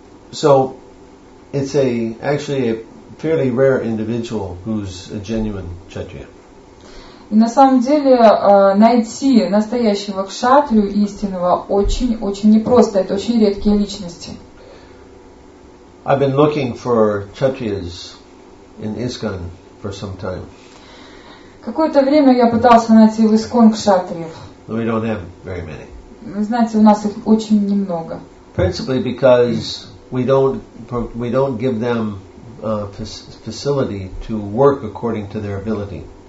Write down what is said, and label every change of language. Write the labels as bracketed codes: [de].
[en] So, it's actually a fairly rare individual who's a genuine kshatriya. [ru] На самом деле, найти настоящего кшатрию истинного очень-очень непросто. Это очень редкие личности. [en] I've been looking for kshatriyas in ISKCON for some time. [ru] Какое-то время я пытался найти в ISKCON кшатриев. [en] But we don't have very many. [ru] Вы знаете, у нас их очень немного. [en] Principally because we don't give them facility to work according to their ability.